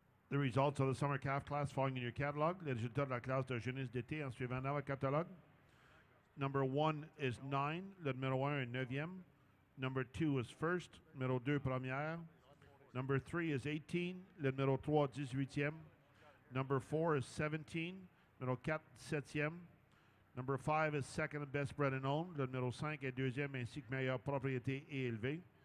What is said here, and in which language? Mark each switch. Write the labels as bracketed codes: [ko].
[en] The results of the summer calf class following in your catalog. [fr] Les résultats de la classe de jeunesse d'été en suivant dans le catalogue. [en] Number one is nine. [fr] Le numéro un est neuvième. [en] Number two is first. [fr] Numéro deux première. [en] Number three is 18. [fr] Le numéro trois 18e. [en] Number four is 17. [fr] Numéro quatre 7e. [en] Number five is second and best bred and owned. [fr] Le numéro cinq est deuxième ainsi que meilleure propriété élevée.